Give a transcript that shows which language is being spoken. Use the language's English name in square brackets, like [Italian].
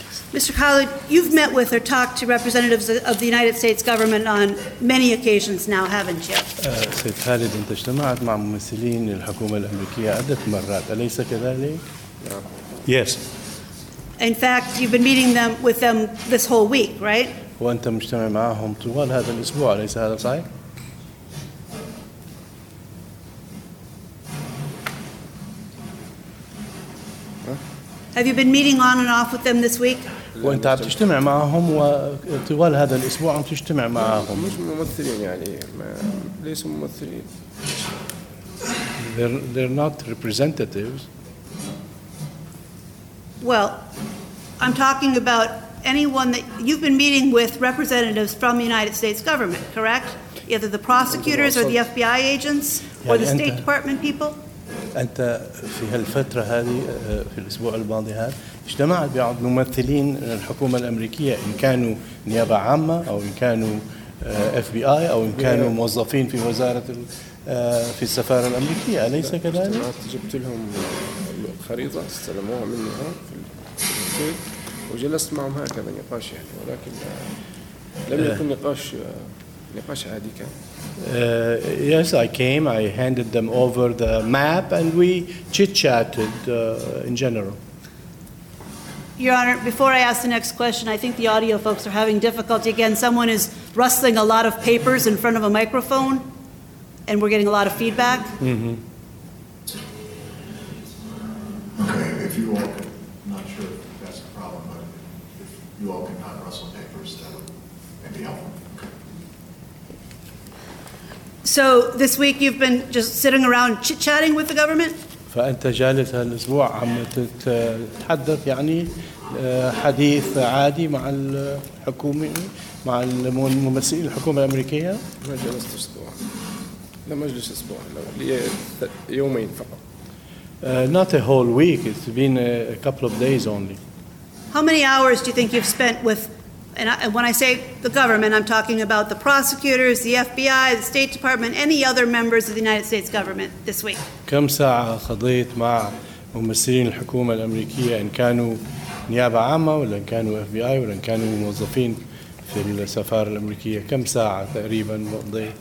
[English] Mr. Khalid, you've met with or talked to representatives of the United States government on many occasions now, haven't you? [Arabic] سيد خالد انت اجتمعت مع ممثلين الحكومة الأمريكية عدة مرات أليس كذلك؟ [English] Yes. In fact, you've been meeting them with them this whole week, right? [Arabic] وأنت مجتمع معهم طوال هذا الأسبوع أليس هذا صحيح؟ [English] Have you been meeting on and off with them this week? [Arabic] وأنت عم تجتمع معهم وطوال هذا الأسبوع عم تجتمع معهم. مش ممثلين يعني ليس ممثلين. [English] They're not representatives. Well, I'm talking about anyone that you've been meeting with representatives from the United States government, correct? Either the prosecutors or the FBI agents or the State Department people. [Arabic] أنت في هالفترة هذه في الأسبوع الماضي هذا اجتمعت بعض ممثلين الحكومة الأمريكية إن كانوا نيابة عامة أو إن كانوا FBI أو إن كانوا موظفين في وزارة في السفارة الأمريكية أليس كذلك؟ اجتمعت جبت لهم خريطة استلموها مني في المنزل وجلست معهم هكذا نقاش يعني ولكن لم يكن نقاش عادي كان. [English] Yes, I came. I handed them over the map, and we chit-chatted in general. Your Honor, before I ask the next question, I think the audio folks are having difficulty again. Someone is rustling a lot of papers in front of a microphone, and we're getting a lot of feedback. Mm-hmm. Okay, if you all, I'm not sure if that's a problem, but if you all cannot rustle papers, that would be helpful. So this week you've been just sitting around chit-chatting with the government? [Arabic] فأنت جالس هالأسبوع عم تتحدث يعني حديث عادي مع الحكومة مع الممثلين الحكومة الأمريكية؟ ما جلست أسبوع. لم أجلس أسبوع. لي يومين فقط. [English] Not a whole week. It's been a couple of days only. How many hours do you think you've spent with? And when I say the government, I'm talking about the prosecutors, the FBI, the State Department, any other members of the United States government this week. [Arabic] كم ساعة قضيت مع ممثلين الحكومة الأمريكية إن كانوا نيابة عامة ولا إن كانوا FBI ولا إن كانوا موظفين في السفارة الأمريكية كم ساعة تقريبا قضيت؟